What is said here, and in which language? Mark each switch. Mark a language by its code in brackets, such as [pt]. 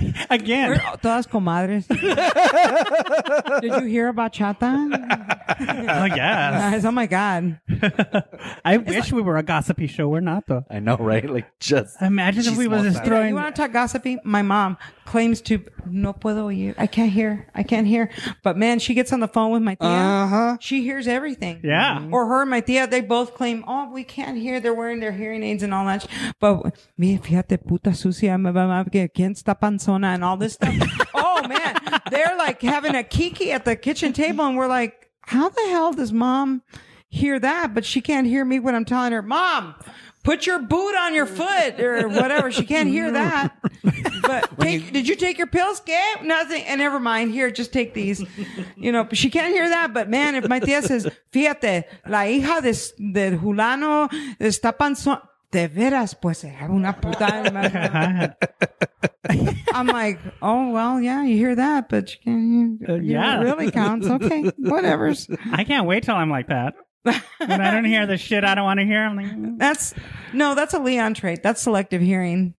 [en] Again, [es] todas comadres. [en] Did you hear about Chata? Oh yes. Oh my god. I wish we were a gossipy show. We're not though. I know, right? Like, just imagine if we were just throwing. You want to talk gossipy? My mom claims to [es] no puedo oír. [en] I can't hear. But man, she gets on the phone with my tia. Uh-huh. She hears everything. Yeah. Or her and my tia, they both claim, oh, we can't hear. They're wearing their hearing aids and all that. But me, [es] fíjate, puta sucia, ¿quién está panzona? [en] And all this stuff. Oh man, they're like having a kiki at the kitchen table, and we're like, how the hell does mom hear that? But she can't hear me when I'm telling her, mom, put your boot on your foot or whatever. She can't hear that. But did you take your pills? Okay, nothing. And never mind. Here, just take these. You know, but she can't hear that. But man, if my tia says, [es] fíjate, la hija de Julano está panzón. De veras, pues, una puta. [en] I'm like, oh, well, yeah, you hear that, but you can't hear. Yeah. It really counts. Okay, whatever. I can't wait till I'm like that. When I don't hear the shit I don't want to hear, I'm like, That's a Leon trait. That's selective hearing.